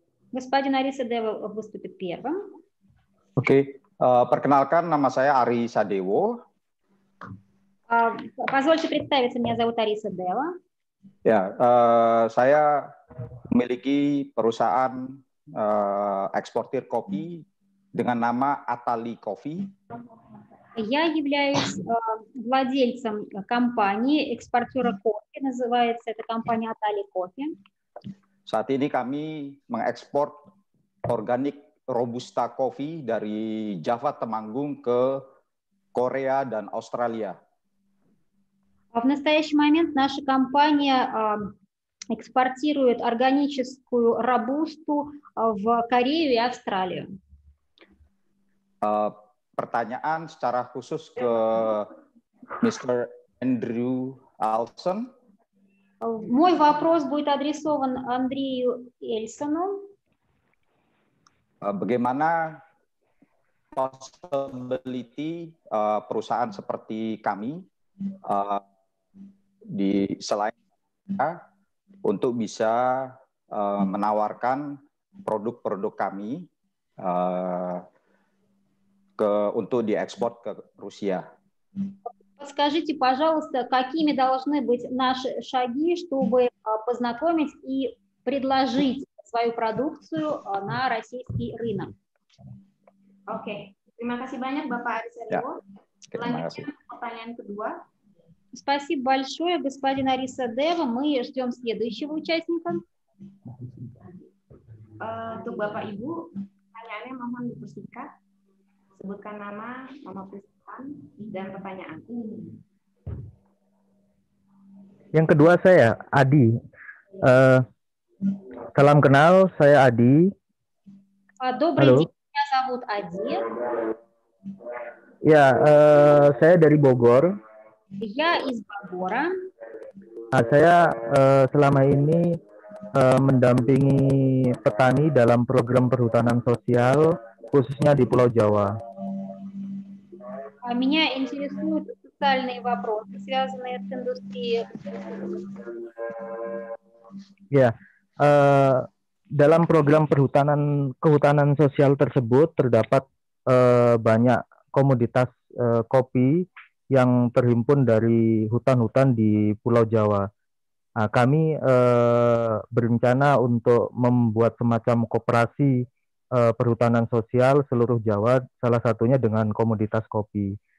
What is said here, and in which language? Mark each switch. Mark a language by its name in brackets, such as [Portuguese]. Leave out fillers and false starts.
[Russian] Господин Ариса Дево выступит первым. [Indonesian] Oke, perkenalkan nama saya Арисса Дево. [Russian] Позвольте представиться, меня зовут Арисса Дево. [Indonesian] Ya, saya memiliki perusahaan eksportir kopi dengan nama Atali Coffee. [Russian] Я являюсь владельцем компании экспортера кофе, называется эта компания Atali Coffee. [Indonesian] Saat ini kami mengekspor organik robusta kopi dari Java Temanggung ke Korea dan Australia. [Russian] В настоящий момент наша компания экспортирует органическую робусту в Корею и Австралию. [Indonesian] Pertanyaan secara khusus ke Mr. Andrew Alson. [Russian] Мой вопрос будет адресован Андрею Эльсону. [Indonesian] Bagaimana possibility perusahaan seperti kami di selain kita untuk bisa menawarkan produk-produk kami untuk diekspor ke Rusia? [Russian] Скажите, пожалуйста, какими должны быть наши шаги, чтобы познакомить и предложить свою продукцию на российский рынок? [Indonesian] Окей. Terima kasih banyak, Bapak Арисса Дево. Selanjutnya, pertanyaan kedua. [Russian] Спасибо большое, господин Арисса Дево. Мы ждем следующего участника. [Indonesian] Untuk Bapak Ibu, pertanyaannya mohon dipersingkat. Sebutkan nama, nama perusahaan. Dan pertanyaan. Yang kedua saya Adi. Salam kenal, saya Adi. [Russian] Добрый день, меня зовут Ади. [Indonesian] Ya, saya dari Bogor. [Russian] Я из Богора. [Indonesian] Nah, saya selama ini mendampingi petani dalam program perhutanan sosial khususnya di Pulau Jawa. [Russian] Меня интересуют социальные вопросы, связанные с индустрией. [Indonesian] Dalam program perhutanan kehutanan sosial tersebut terdapat banyak komoditas kopi yang terhimpun dari hutan-hutan di Pulau Jawa. Nah, kami berencana untuk membuat semacam koperasi perhutanan sosial seluruh Jawa, salah satunya dengan komoditas kopi.